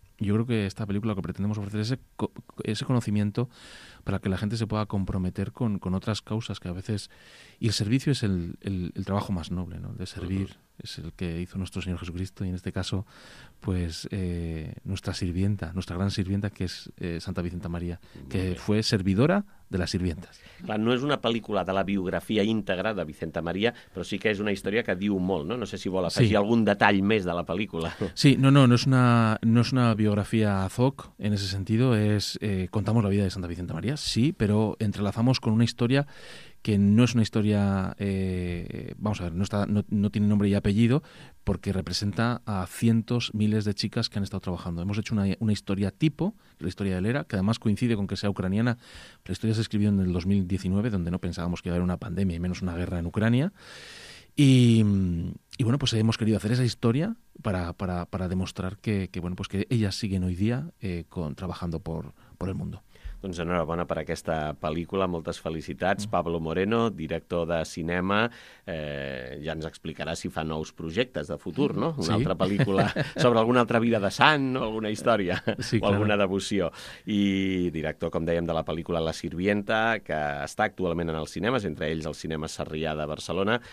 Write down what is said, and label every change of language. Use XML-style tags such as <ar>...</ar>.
<es>Yo creo que esta película lo que pretendemos ofrecer es ese conocimiento para que la gente se pueda comprometer con otras causas que a veces... Y el servicio es el trabajo más noble, ¿no? De servir. Es el que hizo nuestro Señor Jesucristo y en este caso, pues, nuestra sirvienta, nuestra gran sirvienta, que es Santa Vicenta María, que fue servidora de las sirvientas.</es> <ca>Clar, no és una pel·lícula de la biografia íntegra de Vicenta María, però sí que és una història que diu molt, no? No sé si vol afegir algun detall més de la pel·lícula.</ca> <es>Sí,</es> <ca>no és una biografia</ca> <es>ad hoc, en ese sentido, es contamos la vida de Santa Vicenta María, sí, pero entrelazamos con una historia que no es una historia, vamos a ver, no tiene nombre y apellido, porque representa a cientos, miles de chicas que han estado trabajando. Hemos hecho una historia tipo, la historia de Lera, que además coincide con que sea ucraniana. La historia se escribió en el 2019, donde no pensábamos que iba a haber una pandemia y menos una guerra en Ucrania. Y bueno, pues hemos querido hacer esa historia para demostrar que bueno, pues que ellas siguen hoy día trabajando por el mundo.</es> <ca>Doncs enhorabona per aquesta pel·lícula, moltes felicitats. Pablo Moreno, director de cinema, ja ens explicarà si fa nous projectes de futur, no? Una altra pel·lícula sobre alguna altra vida de sant o alguna història o alguna devoció. I director, com dèiem, de la pel·lícula La Sirvienta, que està actualment en els cinemes, entre ells el cinema Sarrià de Barcelona.</ca>